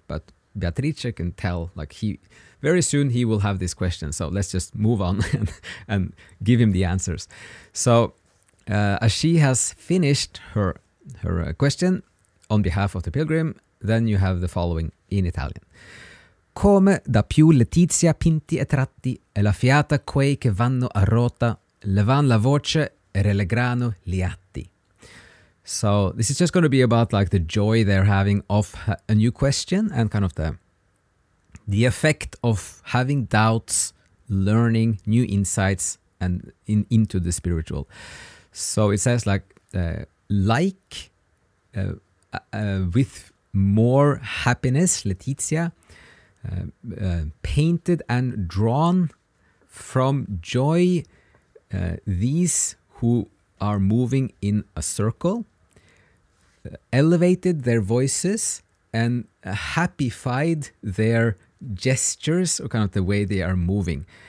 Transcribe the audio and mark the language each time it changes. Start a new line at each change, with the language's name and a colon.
English: But Beatrice can tell, like, he very soon he will have this question. So let's just move on and give him the answers. So as she has finished her question on behalf of the pilgrim, then you have the following in Italian.
Italian: Come da più letizia pinti e tratti e la fiata quei che vanno a rota levan la voce e relegrano gli atti.
English: So this is just going to be about, like, the joy they're having of a new question, and kind of the effect of having doubts, learning new insights and into the spiritual. So it says, with more happiness, Letizia, painted and drawn from joy, these who are moving in a circle, elevated their voices and happified their gestures, or kind of the way they are moving.